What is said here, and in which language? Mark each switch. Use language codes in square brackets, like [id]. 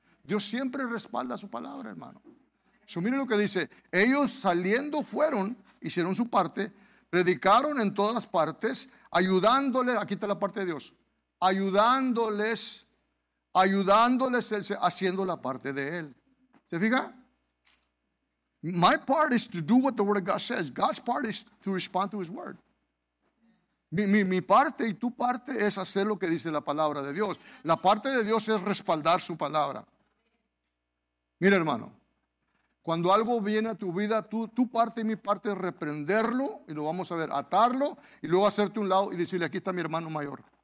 [es] Dios siempre respalda su palabra, hermano. So, mire lo que dice. Ellos saliendo fueron, hicieron su parte, predicaron en todas partes, ayudándoles, aquí está la parte de Dios, ayudándoles, haciendo la parte de él. ¿Se fija? [en] My part is to do what the word of God says. God's part is to respond to his word. [es] Mi parte y tu parte es hacer lo que dice la palabra de Dios. La parte de Dios es respaldar su palabra. Mira, hermano, cuando algo viene a tu vida, tu parte y mi parte es reprenderlo, y lo vamos a ver, atarlo, y luego hacerte un lado y decirle, aquí está mi hermano mayor.